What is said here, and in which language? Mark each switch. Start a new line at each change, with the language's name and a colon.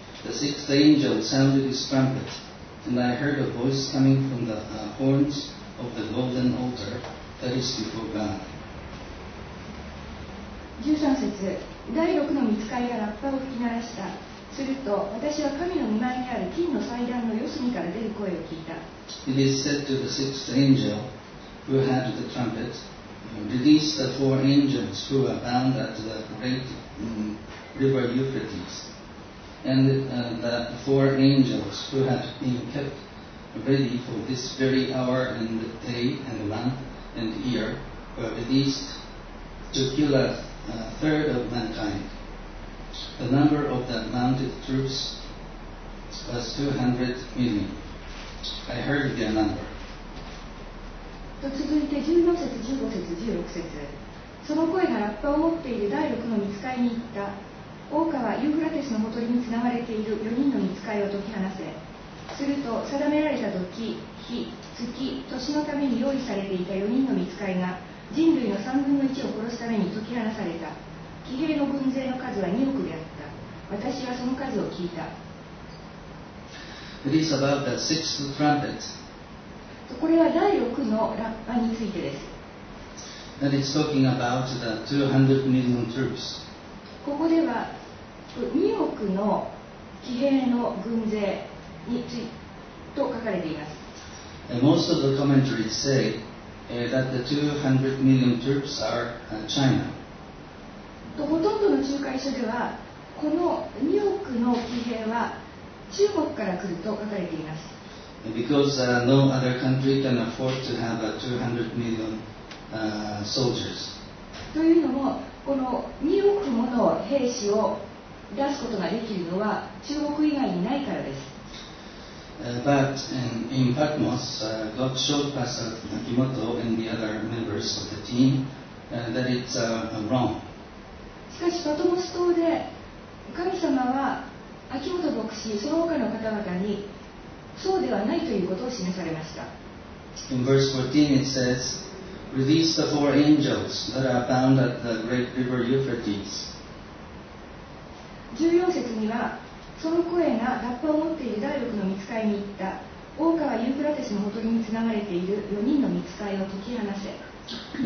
English: The sixth angel sounded his trumpet, and I heard a voice coming from the horns of the golden altar that is before God.
Japanese: 13節、第6の御使いがラッパを吹き鳴らした。すると私は神の御前にある金の祭壇の四隅から出る声を聞いた。
English: It is said to the sixth angel who had the trumpet, release the four angels who are bound at the great river Euphrates. And that the four angels who have been kept ready for this very hour and day and month and year were released to kill us. A third of mankind. The number of the mounted troops was 200 million. I heard their number.
Japanese: と続いて10節、15節、16節。その声がラッパを持っている第6の御使いに言った。王家はユーフラテスのほとりにつながれている4人の御使いを解き放せ。すると定められた時、日、月、年のために用意されていた4人の御使いが、人類の3分の1を殺すために解き放された。騎兵の軍勢の数は2億であった。私はその数を聞いた。
English: It is about the sixth trumpet.
Japanese: これは第6のラッパについてです。
English: And it's talking about the 200 million troops.
Japanese: ここでは2億の騎兵の軍勢についてと書かれています。
English: And most of the commentaries say,that the 200 million troops are China.
Japanese: とほとんどの仲介書ではこの2億の騎兵は中国から来ると書かれています。
English: Because no other country can afford to have 200 million soldiers.
Japanese: というのもこの2億もの兵士を出すことができるのは中国以外にないからです。
English: But in Patmos, God showed Pastor Akimoto and the other members of the team that it's wrong.
Japanese: しかし、パトモス島で神様は秋元牧師、その他の方々にそうではないということを示されました。
English: In verse 14 it says, release the four angels that are bound at the great river Euphrates.
Japanese: 14節にはその声がラッパを持っている大陸の御使いに言った。大川ユーフラテスのほとりにつながれている4人の御使いを解き放せ。